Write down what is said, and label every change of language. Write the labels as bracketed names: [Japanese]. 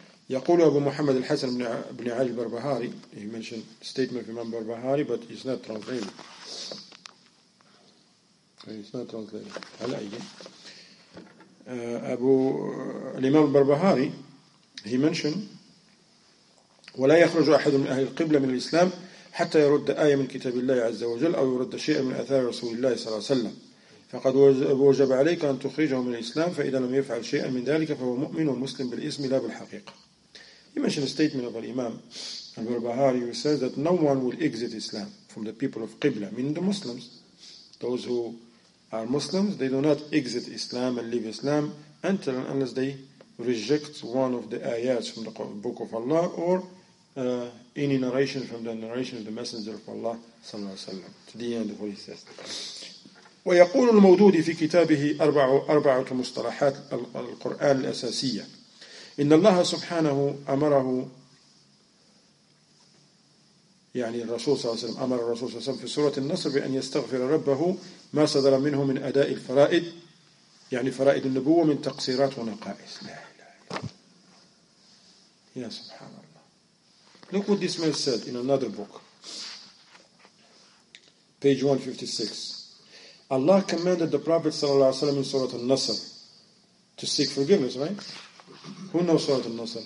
[English] يقول أبو محمد الحسن بن علي البربهاري, he mentioned statement of Imam Barbahari, but it's not translated. It's not translated. [Arabic] أبو الإمام البربهاري, [English] he mentioned [Arabic] ولا يخرج أحد من أهل القبلة من الإسلام حتى يرد آية من كتاب الله عز وجل أو يرد شيئا من أثار رسول الله صلى الله عليه وسلم. فقد وجب عليك أن تخرجه من الإسلام فإذا لم يفعل شيئا من ذلك فهو مؤمن ومسلم بالإسم لا بالحقيقة. [English] He mentioned a statement of Imam al-Barbahari who says that no one will exit Islam from the people of Qibla, meaning the Muslims. Those who are Muslims, they do not exit Islam and leave Islam until and unless they reject one of the ayats from the Book of Allah or any narration from the narration of the Messenger of Allah [Arabic] صلى الله عليه وسلم, [English] to the end of what he says. [Arabic] ويقول المودودي في كتابه أربعة مصطلحات القرآن الأساسية إن الله سبحانه أمره, يعني الرسول صلى الله عليه وسلم أمر الرسول صلى الله عليه وسلم في سورة النصر بأن يستغفر ربه ما صدر منه من أداء الفرائض, يعني فرائض النبوة, من تقصيرات ونقائص. لا لا لا يا سبحان الله. [English] Look what this man said in another book. page 156. Allah commanded the Prophet ﷺ in Surah Al-Nasr to seek forgiveness, right? Who knows Surah Al-Nasr?